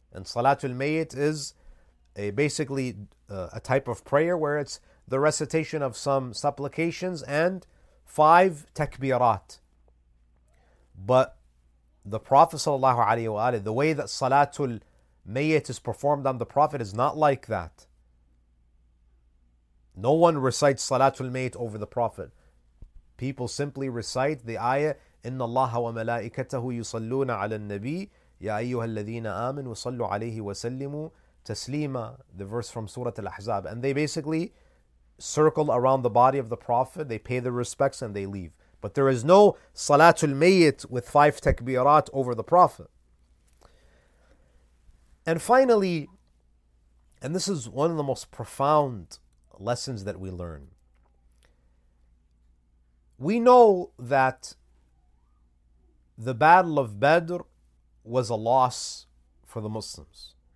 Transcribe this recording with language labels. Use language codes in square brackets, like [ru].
[en] And Salatul Mayyit is basically a type of prayer where it's the recitation of some supplications and five takbirat. But the Prophet sallallahu alayhi wa sallam, the way that Salatul Mayyit is performed on the Prophet is not like that. No one recites Salatul Mayyit over the Prophet. People simply recite the ayah, [ar] إِنَّ اللَّهَ وَمَلَائِكَتَهُ يُصَلُّونَ عَلَى النَّبِيِّ يَا أَيُّهَا الَّذِينَ آمِنُوا صَلُّوا عَلَيْهِ وَسَلِّمُوا تَسْلِيمًا, [en] the verse from Surah Al-Ahzab. And they basically circle around the body of the Prophet, they pay their respects and they leave. But there is no Salatul Mayyit with five takbirat over the Prophet. And finally, and this is one of the most profound lessons that we learn, we know that the Battle of Badr was a loss for the Muslims.